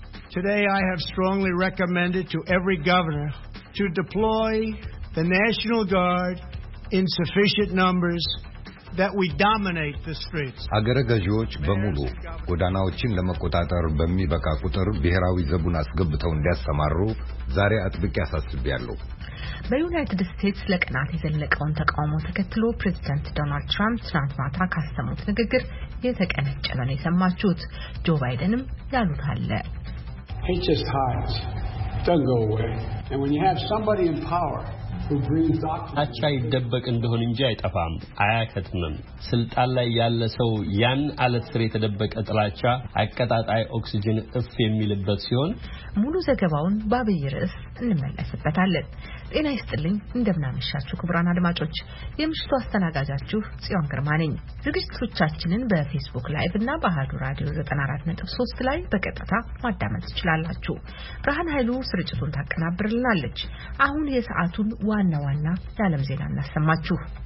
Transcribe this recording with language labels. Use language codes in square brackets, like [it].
[en] Today I have strongly recommended to every governor to deploy the National Guard in sufficient numbers that we dominate the streets. [am] አገረ ገዢዎች በሙሉ ጎዳናዎችን ለመቆጣጠር በሚበቃ ቁጥር ብሔራዊ ዘቡን አስገብተው እንዲያስተማሩ ዛሬ አጥብቄ አሳስባለሁ። በዩናይትድ ስቴትስ ለቀናት የዘለቀውን ተቃውሞ ተከትሎ ፕሬዝዳንት ዶናልድ ትራምፕ ትናንት ማታ ካስተሙት ንግግር የተቀነጨ ነው የሰማችሁት። ጆ ባይደንም ያሉት አለ። [en] Hate is hot. Don't go away. And when you have somebody in power [am] አቻ ይደበቅ እንደሆነ እንጂ አይጠፋም አያከትምም። ስልጣን ላይ ያለ ሰው ያን አለት ስር የተደበቀ ጥላቻ አቀጣጣይ ኦክስጅን እፍ የሚልበት ሲሆን ሙሉ ዘገባውን ባብይርስ እንመለስበታለን። ጤና ይስጥልኝ እንደምን አመሻችሁ ክቡራን አድማጮች። የምሽቱ አስተናጋጃችሁ ጽዮን ግርማ ነኝ። ዝግጅቶቻችንን በፌስቡክ ላይቭ እና በአሃዱ ራዲዮ 94.3 ላይ በቀጥታ ማዳመጥ ትችላላችሁ። ብርሃን ኃይሉ ስርጭቱን ታቀናብርልናለች። አሁን የሰዓቱን ዋና ዋና የዓለም ዜና እናሰማችሁ።